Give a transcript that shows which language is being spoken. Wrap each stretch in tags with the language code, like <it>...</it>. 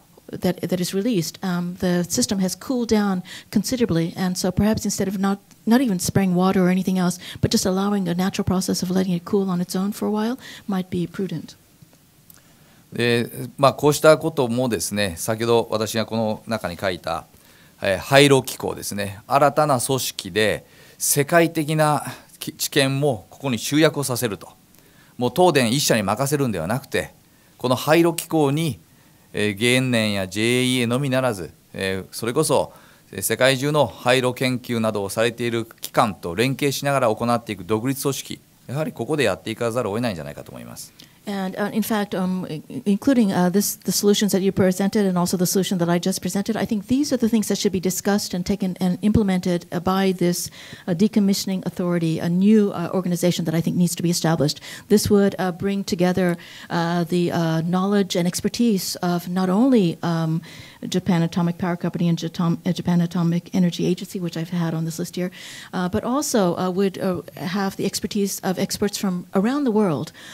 <en>That is released. The system has cooled down considerably, and so perhaps instead of not even spraying water or anything else, but just allowing a natural process of letting it cool on its own for a while might be prudent.</en> <ja>で、こうしたこともですね、先ほど私がこの中に書いた、廃炉機構ですね、新たな組織で世界的な知見もここに集約をさせると、もう東電一社に任せるんではなくて、この廃炉機構に原燃や JEA のみならず、それこそ世界中の廃炉研究などをされている機関と連携しながら行っていく独立組織、やはりここでやっていかざるを得ないんじゃないかと思います。</ja> <en>And in fact, including the solutions that you presented and also the solution that I just presented, I think these are the things that should be discussed and taken and implemented by this decommissioning authority, a new organization that I think needs to be established. This would bring together the knowledge and expertise of not only Japan Atomic Power Company and Japan Atomic Energy Agency, which I've had on this list here, but also would have the expertise of experts from around the world.</en>